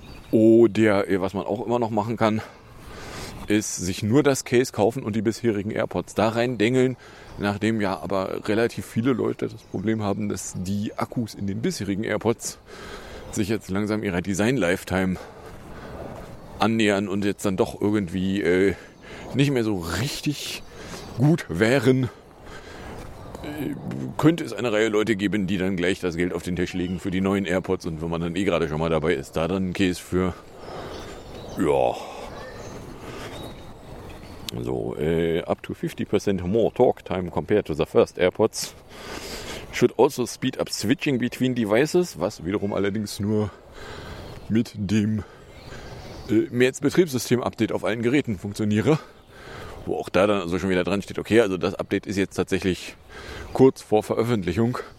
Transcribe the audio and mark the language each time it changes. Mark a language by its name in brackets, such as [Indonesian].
[German] Oder was man auch immer noch machen kann, ist sich nur das Case kaufen und die bisherigen AirPods da rein dengeln, nachdem ja aber relativ viele Leute das Problem haben, dass die Akkus in den bisherigen AirPods sich jetzt langsam ihrer Design-Lifetime annähern und jetzt dann doch irgendwie nicht mehr so richtig gut wären, könnte es eine Reihe Leute geben, die dann gleich das Geld auf den Tisch legen für die neuen AirPods und wenn man dann gerade schon mal dabei ist, da dann ein Case für, ja. [English] So, up to 50% more talk time compared to the first AirPods. Should also speed up switching between devices, [German] was wiederum allerdings nur mit dem Mehrheits-Betriebssystem-Update auf allen Geräten funktioniere. Wo auch da dann also schon wieder dran steht, okay, also das Update ist jetzt tatsächlich kurz vor Veröffentlichung.